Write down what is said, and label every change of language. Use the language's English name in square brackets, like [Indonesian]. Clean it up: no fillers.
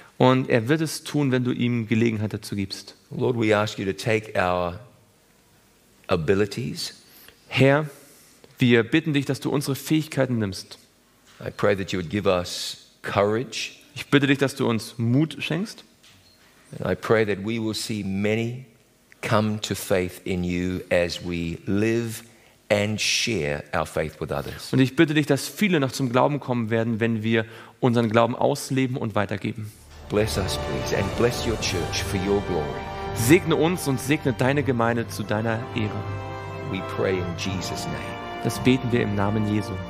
[German] Und er wird es tun, wenn du ihm Gelegenheit dazu gibst. [English] Lord, we ask you to take our abilities. [German] Herr, wir bitten dich, dass du unsere Fähigkeiten nimmst. [English] I pray that you would give us courage. [German] Ich bitte dich, dass du uns Mut schenkst. [English] And I pray that we will see many come to faith in you as we live and share our faith with others. [German] Und ich bitte dich, dass viele noch zum Glauben kommen werden, wenn wir unseren Glauben ausleben und weitergeben. [English] Bless us, please, and bless your church for your glory. [German] Segne uns und segne deine Gemeinde zu deiner Ehre. [English] We pray in Jesus' name. [German] Das beten wir im Namen Jesu.